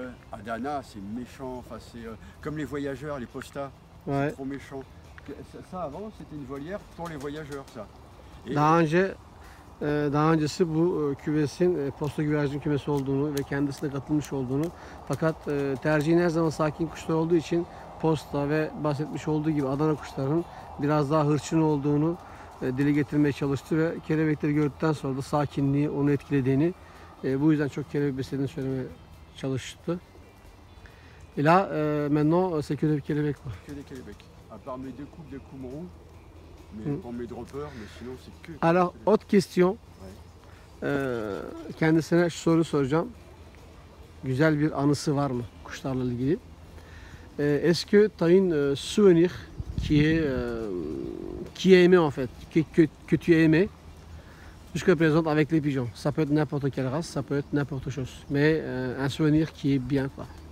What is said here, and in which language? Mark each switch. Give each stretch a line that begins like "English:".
French: Adana, c'est méchant. Enfin, c'est comme les voyageurs, les postas. Ouais. C'est trop méchant. Ça avant, c'était une volière pour les voyageurs, ça.
Turkish: Daha öncesi bu küvesin posta güvercin kümesi olduğunu ve kendisine katılmış olduğunu. Fakat tercihin her zaman sakin kuşlar olduğu için posta ve bahsetmiş olduğu gibi Adana kuşlarının biraz daha hırçın olduğunu dile getirmeye çalıştı. Ve kelebekleri gördükten sonra da sakinliği onu etkilediğini, bu yüzden çok kelebek beslediğini söylemeye çalıştı.
French: Et là, maintenant, c'est que des kelebek
Turkish: var.
French: Que des kelebek. À part mes deux couples de Koumourou, mes droppers, mais sinon c'est que... Alors, autre question.
Turkish: Kendisine şu soru soracağım. Güzel bir anısı var mı kuşlarla ilgili?
French: Est-ce que t'as une souvenir qui est aimé en fait, que tu as aimé jusqu'à présent avec les pigeons? Ça peut être n'importe quelle race, ça peut être n'importe chose, mais un souvenir qui est bien quoi.